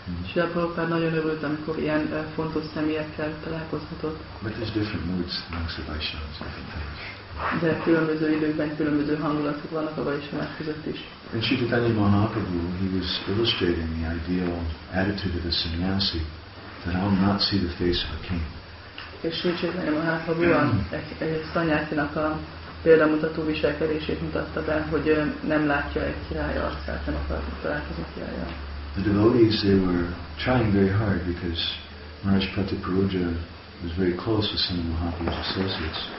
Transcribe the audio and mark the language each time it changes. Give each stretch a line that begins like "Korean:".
Hungarian: Srila Prabhupada nagyon örült, amikor ilyen fontos személyekkel találkozhatott.
English: But there's different moods amongst the Vaishnavas, different things.
Hungarian: De különböző időkben különböző hangulatok vannak a Vaishnavák között is.
English: And Sri Chaitanya Mahaprabhu, he was illustrating the ideal attitude of a sannyasi, that I will not see the face of a king.
Hungarian: És Sri Chaitanya Mahaprabhu egy szanyászinak a példamutató viselkedését mutatta be, hogy nem látja egy király arcát, nem akar találkozni királlyal.
English: The devotees, they were trying very hard because Maharaj Pratapurudra was very close with some of Mahaprabhu's associates.